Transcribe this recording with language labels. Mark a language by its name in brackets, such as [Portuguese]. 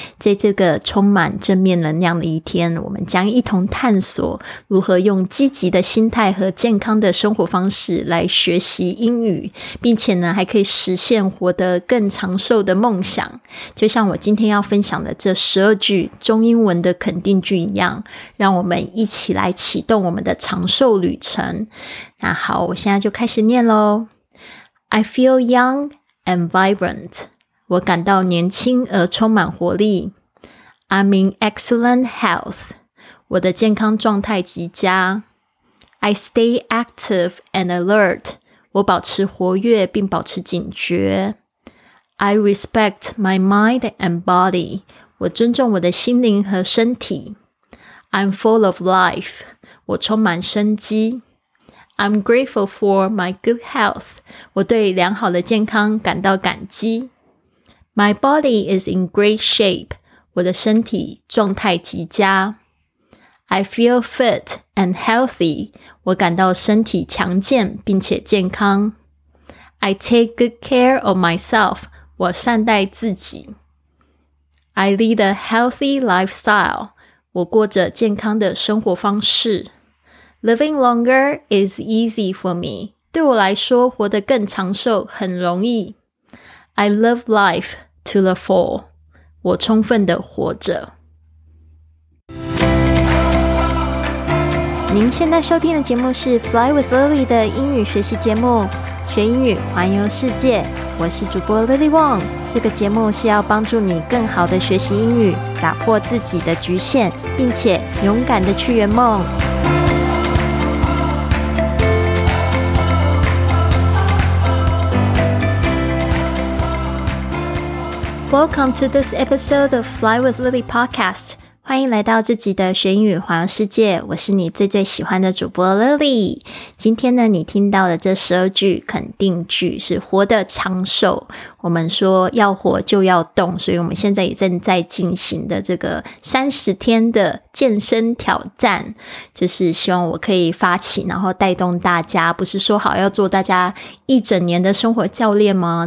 [Chinese] 在这个充满正面能量的一天，我们将一同探索如何用积极的心态和健康的生活方式来学习英语，并且呢，还可以实现活得更长寿的梦想。就像我今天要分享的这12句中英文的肯定句一样，让我们一起来启动我们的长寿旅程。那好，我现在就开始念咯。 [English] I feel young and vibrant. [Chinese] 我感到年轻而充满活力。 [English] I'm in excellent health. [Chinese] 我的健康状态极佳。 [English] I stay active and alert. [Chinese] 我保持活跃并保持警觉。 [English] I respect my mind and body. [Chinese] 我尊重我的心灵和身体。 [English] I'm full of life. [Chinese] 我充满生机。 [English] I'm grateful for my good health. [Chinese] 我对良好的健康感到感激。 [English] My body is in great shape. [Chinese] 我的身体状态极佳。 [English] I feel fit and healthy. [Chinese] 我感到身体强健并且健康。 [English] I take good care of myself. [Chinese] 我善待自己。 [English] I lead a healthy lifestyle. [Chinese] 我过着健康的生活方式。 [English] Living longer is easy for me. [Chinese] 对我来说，活得更长寿很容易。 [English] I love life to the full. [Chinese] 我充分地活着。您现在收听的节目是 Fly with Lily 的英语学习节目，学英语，环游世界。我是主播 Lily Wong。这个节目是要帮助你更好地学习英语，打破自己的局限，并且勇敢地去圆梦。 [English] Welcome to this episode of Fly with Lily podcast. [Chinese] 欢迎来到这集的学英语环游世界，我是你最最喜欢的主播 Lily。今天呢，你听到的这12句肯定句是活得长寿。我们说要活就要动，所以我们现在也正在进行的这个30天的健身挑战，就是希望我可以发起然后带动大家，不是说好要做大家一整年的生活教练吗？